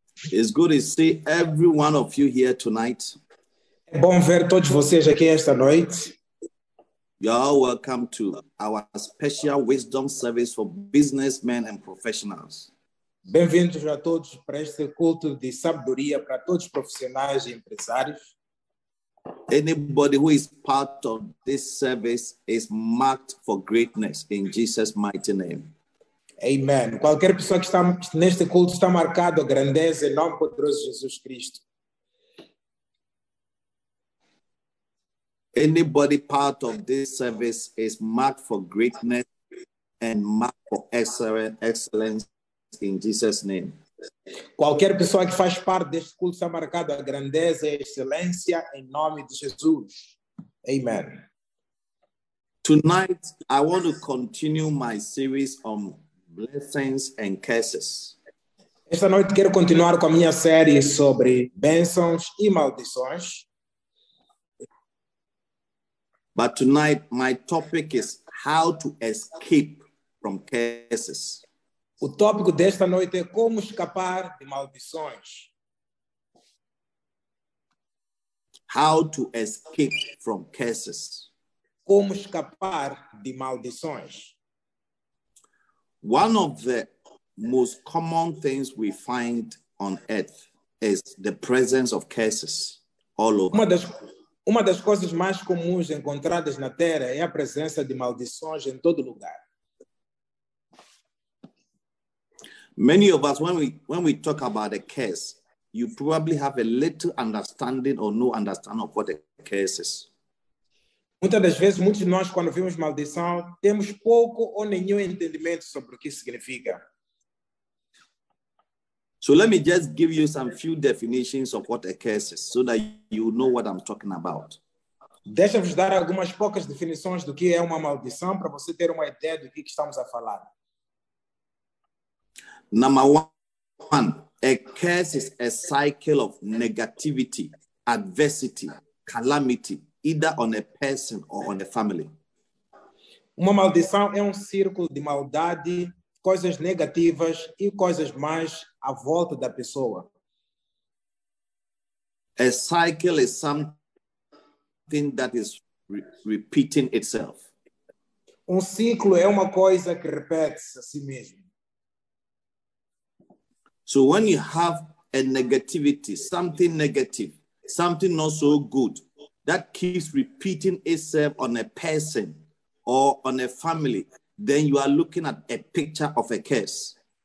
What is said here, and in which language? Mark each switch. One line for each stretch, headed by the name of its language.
English: It's good to see every one of you here tonight.
Portuguese: É bom ver todos vocês aqui esta noite.
English: You're all welcome to our special wisdom service for businessmen and professionals.
Portuguese: Bem-vindos a todos para este culto de sabedoria para todos os profissionais e empresários.
English: Anybody who is part of this service is marked for greatness in Jesus' mighty name. Amen.
Portuguese: Qualquer pessoa que está neste culto está marcado a grandeza em nome poderoso de Jesus Cristo.
English: Anybody part of this service is marked for greatness and marked for excellence in Jesus' name.
Portuguese: Qualquer pessoa que faz parte deste culto está marcado a grandeza e excelência em nome de Jesus.
English: Amen. Tonight, I want to continue my series on blessings and curses.
Portuguese: Esta noite quero continuar com a minha série sobre bênçãos e maldições.
English: But tonight my topic is how to escape from curses.
Portuguese: O tópico desta noite é como escapar de maldições.
English: How to escape from curses.
Portuguese: Como escapar de maldições.
English: One of the most common things we find on earth is the presence of curses all over.
Portuguese: Uma das coisas mais comuns encontradas na Terra é a presença de maldições em todo lugar.
English: Many of us, when we talk about a curse, you probably have a little understanding or no understanding of what a curse is.
Portuguese: Muitas das vezes, muitos de nós, quando vimos maldição, temos pouco ou nenhum entendimento sobre o que significa.
English: So let me just give you some few definitions of what a curse is, so that you know what I'm talking about.
Portuguese: Deixa-vos dar algumas poucas definições do que é uma maldição, para você ter uma ideia do que estamos a falar.
English: Number one, a curse is a cycle of negativity, adversity, calamity, either on a person or on a family.
Portuguese: Uma maldição é um círculo de maldade, coisas negativas e coisas mais à volta da pessoa.
English: A cycle is something that is repeating itself.
Portuguese: Um ciclo é uma coisa que repete-se a si mesmo.
English: So when you have a negativity, something negative, something not so good, that keeps repeating itself on a person or on a family, then you are looking at a picture of a curse.